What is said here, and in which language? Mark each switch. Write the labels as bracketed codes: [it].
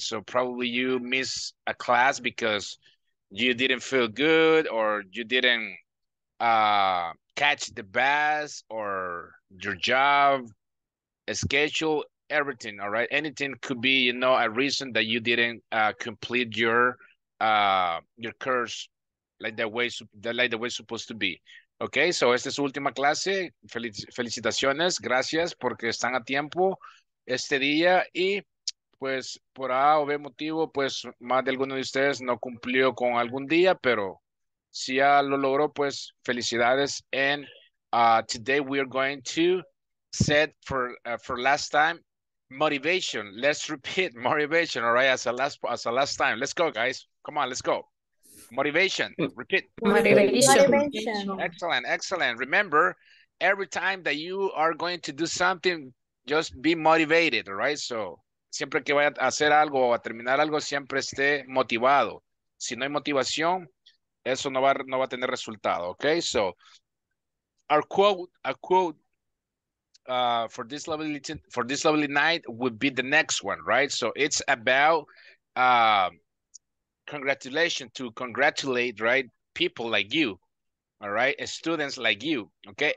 [en] So probably you missed a class because you didn't feel good, or you didn't catch the bus, or your job schedule, everything, all right? Anything could be, you know, a reason that you didn't complete your course like the way supposed to be. Okay, so [es] esta es su última clase. Felicitaciones, gracias porque están a tiempo este día, y pues por A o B motivo, pues más de alguno de ustedes no cumplió con algún día, pero si ya lo logró, pues felicidades. [en] And today we are going to set for last time motivation. Let's repeat motivation, all right, as a last time. Let's go, guys. Come on, let's go. Motivation, repeat. Motivation. Excellent, excellent. Remember, every time that you are going to do something, just be motivated, all right? [es] So, siempre que vaya a hacer algo o a terminar algo, siempre esté motivado. Si no hay motivación, eso no va a tener resultado, okay? [en] So, a quote for this lovely night would be the next one, right? So, it's about congratulate, right, people like you, all right, students like you, okay?